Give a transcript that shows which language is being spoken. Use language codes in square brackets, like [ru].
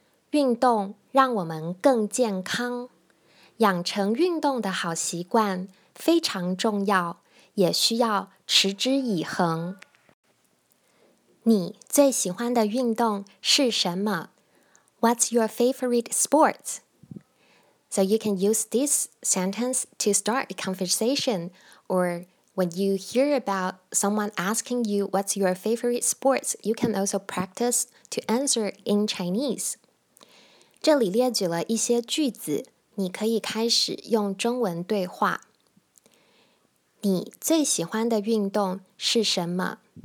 [zh] 运动让我们更健康，养成运动的好习惯非常重要，也需要持之以恒。你最喜欢的运动是什么? [en] What's your favorite sport? So you can use this sentence to start a conversation or when you hear about someone asking you what's your favorite sport, you can also practice to answer in Chinese. [zh] 这里列举了一些句子,你可以开始用中文对话。你最喜欢的运动是什么?